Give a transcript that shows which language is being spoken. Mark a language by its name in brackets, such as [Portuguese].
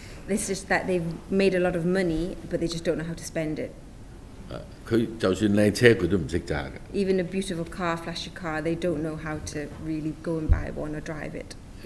[English] It's just that they've made a lot of money, but they just don't know how to spend it. [Cantonese] 他就算靓车，佢都唔识揸嘅. [English] Even a beautiful car, flashy car, they don't know how to really go and buy one or drive it.